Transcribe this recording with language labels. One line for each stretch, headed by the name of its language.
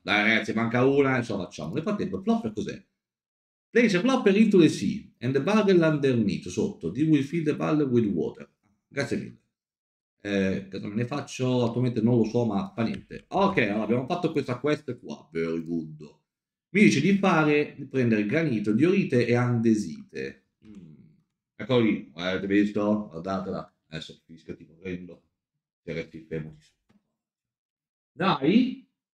Italian: Dai ragazzi, manca una, insomma, facciamo. Nel frattempo, flopper cos'è?
English: Place a flopper into the sea and the barrel underneath,
Italian: sotto.
English: You will fill the barrel with water.
Italian: Grazie mille. Cosa me ne faccio? Attualmente non lo so, ma fa niente. Ok, allora, abbiamo fatto questa quest qua.
English: Very good.
Italian: Mi dice di fare, di prendere granito, diorite e andesite. Eccolo lì, avete visto? Guardatela. Adesso finisco tipo prendo. Terretti fermo. Dai!